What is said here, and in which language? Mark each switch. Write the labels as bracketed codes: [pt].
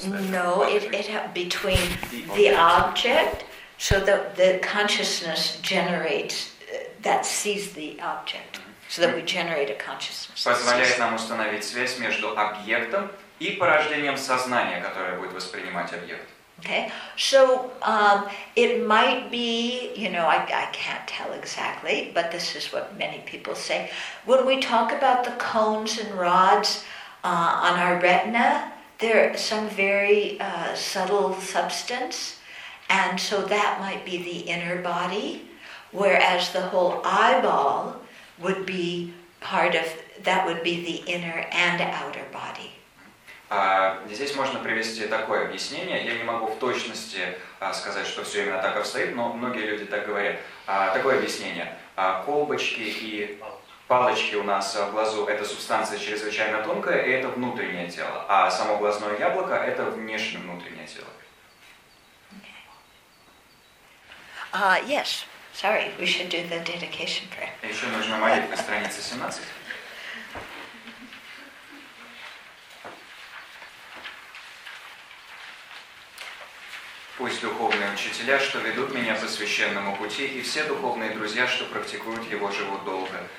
[en] No, it between the object, so the consciousness generates that sees the object, so that we generate a consciousness. [ru] Позволяет нам установить связь между объектом и порождением сознания, которое будет воспринимать объект. [en] Okay, so it might be, you know, I can't tell exactly, but this is what many people say. When we talk about the cones and rods on our retina. There's some very subtle substance, and so that might be the inner body, whereas the whole eyeball would be part of, that would be the inner and outer body. [ru] Здесь можно привести такое объяснение. Я не могу в точности сказать, что все именно так обстоит, но многие люди так говорят. Такое объяснение. Колбочки и палочки у нас в глазу – это субстанция чрезвычайно тонкая, и это внутреннее тело. А само глазное яблоко – это внешнее внутреннее тело. [en] Yes, sorry, we should do the dedication prayer. [ru] Еще нужна молитва, страница 17. Пусть духовные учителя, что ведут меня по священному пути, и все духовные друзья, что практикуют его, живут долго.